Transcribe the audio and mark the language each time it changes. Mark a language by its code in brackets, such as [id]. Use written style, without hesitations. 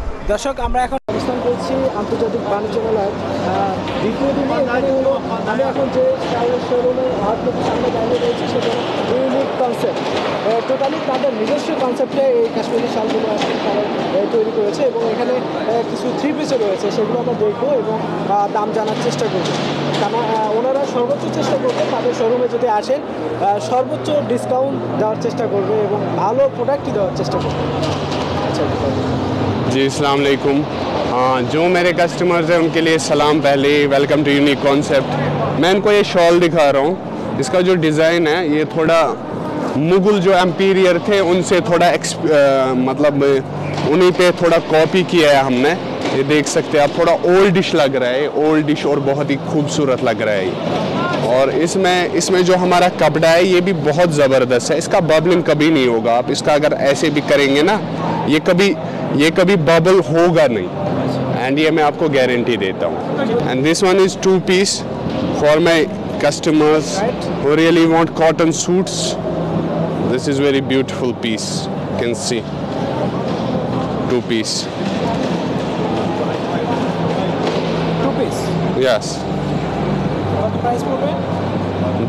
[bn] দর্শক, আমরা এখন অবস্থান করছি আন্তর্জাতিক বাণিজ্য মেলায়। দ্বিতীয় দিনে আমি এখন যে স্টাইলের শোরুমে আর্টবুকের সামনে দাঁড়িয়ে রয়েছি সেটা ইউনিক কনসেপ্ট, টোটালি তাদের নিজস্ব কনসেপ্টে এই কাশ্মীরি শালগুলো আসলে তৈরি করেছে এবং এখানে কিছু থ্রি পিসও রয়েছে, সেগুলো আমরা দেখবো এবং দাম জানার চেষ্টা করবো। কারণ ওনারা সর্বোচ্চ চেষ্টা করবে তাদের শোরুমে যদি আসেন সর্বোচ্চ ডিসকাউন্ট দেওয়ার চেষ্টা করবে এবং ভালো প্রোডাক্টই দেওয়ার চেষ্টা করবে। আচ্ছা [hi] जी, अस्सलाम वालेकुम। जो मेरे कस्टमर्स हैं उनके लिए सलाम, पहले वेलकम टू यूनिक कॉन्सेप्ट। मैं इनको ये शॉल दिखा रहा हूँ, इसका जो डिज़ाइन है ये थोड़ा मुगल जो एम्पीरियर थे उनसे थोड़ा मतलब उन्हीं पे थोड़ा कॉपी किया है हमने। ये देख सकते हैं आप, थोड़ा ओल्ड डिश लग रहा है, ओल्ड डिश और बहुत ही खूबसूरत लग रहा है। और इसमें जो हमारा कपड़ा है ये भी बहुत ज़बरदस्त है, इसका बबलिंग कभी नहीं होगा। आप इसका अगर ऐसे भी करेंगे ना, ये कभी बबल होगा नहीं, एंड ये मैं आपको गारंटी देता हूँ। [en] And this one is two piece for my customers who really want cotton suits. This is very beautiful piece. You can see two piece. Two piece. Yes. What price would it?